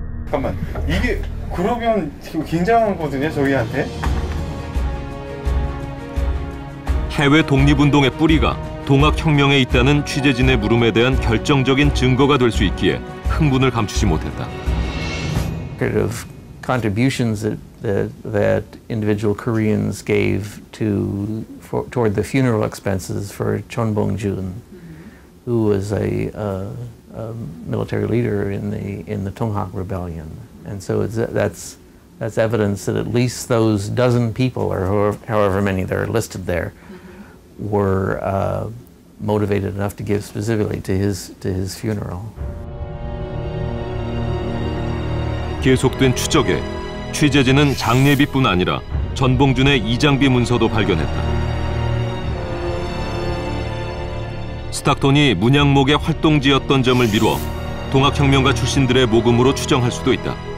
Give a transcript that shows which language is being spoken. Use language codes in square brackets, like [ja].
[ko] 잠깐만, 이게 그러면 지금 굉장한 거거든요, 저희한테? 해외 독립운동의 뿌리가 동학혁명에 있다는 취재진의 물음에 대한 결정적인 증거가 될 수 있기에 흥분을 감추지 못했다. [en] Kind of contributions that individual Koreans gave toward the funeral expenses for Chonbongjun. Who was a military leader in the Tonghak Rebellion, and so that's evidence that at least those dozen people, or however many there are listed there, were motivated enough to give specifically to his funeral. [ko] 계속된 추적에 취재진은 장례비뿐 아니라 전봉준의 이장비 문서도 발견했다. 스탁톤이 문양목의 활동지였던 점을 미루어 동학혁명가 출신들의 모금으로 추정할 수도 있다.